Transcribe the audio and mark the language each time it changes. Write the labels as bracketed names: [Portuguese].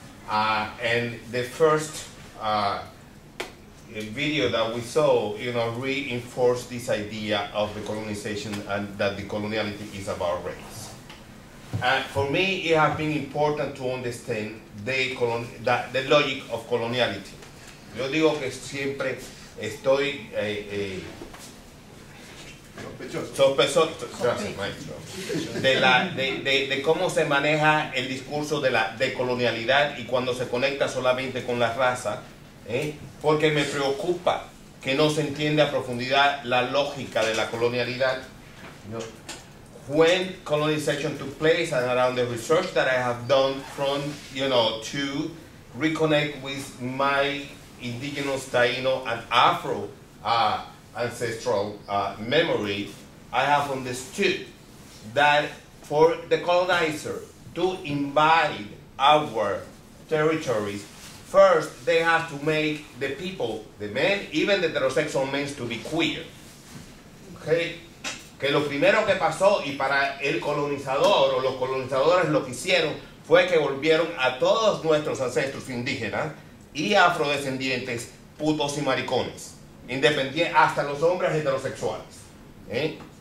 [English] And the first video that we saw, reinforced this idea of the colonization and that the coloniality is about race. And for me, it has been important to understand the logic of coloniality. [Spanish] Yo digo que siempre estoy de cómo se maneja el discurso de la decolonialidad y cuando se conecta solamente con la raza, porque me preocupa que no se entiende a profundidad la lógica de la colonialidad. [English] When colonization took place and around the research that I have done from, to reconnect with my indigenous Taino and Afro ancestral memory, I have understood that for the colonizer to invade our territories, first, they have to make the people, the men, even the heterosexual men, to be queer. Okay? [Spanish] Que lo primero que pasó, y para el colonizador o los colonizadores lo que hicieron, fue que volvieron a todos nuestros ancestros indígenas y afrodescendientes putos y maricones, independientes, hasta los hombres heterosexuales.